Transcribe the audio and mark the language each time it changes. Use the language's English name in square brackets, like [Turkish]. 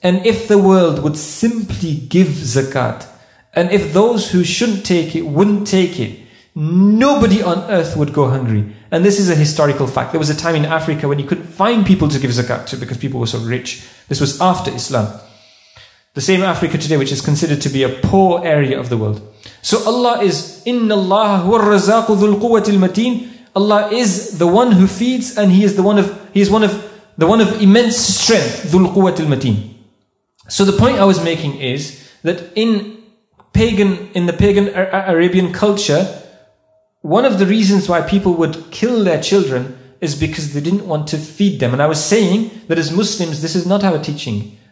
[English] And if the world would simply give zakat, and if those who shouldn't take it wouldn't take it, nobody on earth would go hungry. And this is a historical fact. There was a time in Africa when you couldn't find people to give zakat to because people were so rich. This was after Islam. The same Africa today, which is considered to be a poor area of the world. So Allah is, [Arabic] إِنَّ اللَّهَ هُوَ الرَّزَّاقُ ذُو الْقُوَّةِ الْمَتِينَ. [English] Allah is the one who feeds, and He is the one of immense strength, [Arabic] ذُو الْقُوَّةِ الْمَتِينَ. [English] So the point I was making is that in the pagan Arabian culture, one of the reasons why people would kill their children is because they didn't want to feed them. And I was saying that as Muslims, this is not our teaching.